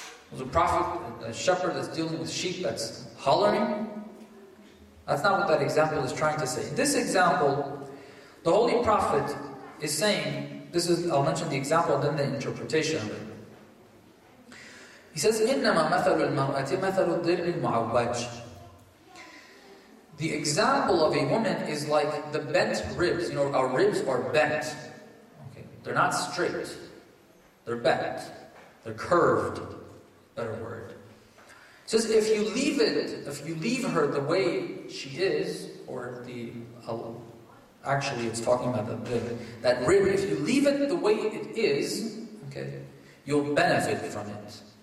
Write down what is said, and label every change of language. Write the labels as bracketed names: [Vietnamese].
[English] There's a prophet, a shepherd that's dealing with sheep that's hollering. That's not what that example is trying to say. This example, the Holy Prophet is saying, this is, I'll mention the example and then the interpretation of it. He says, [Arabic] إِنَّمَا مَثَلُ الْمَرْأَةِ مَثَلُ الدِّرْءِ الْمُعَوَّجِ. [English] The example of a woman is like the bent ribs. You know, our ribs are bent. Okay, they're not straight. They're bent. They're curved. Better word. It says, if you leave it, if you leave her the way she is, or the, actually it's talking about that rib, if you leave it the way it is, okay, you'll benefit from it.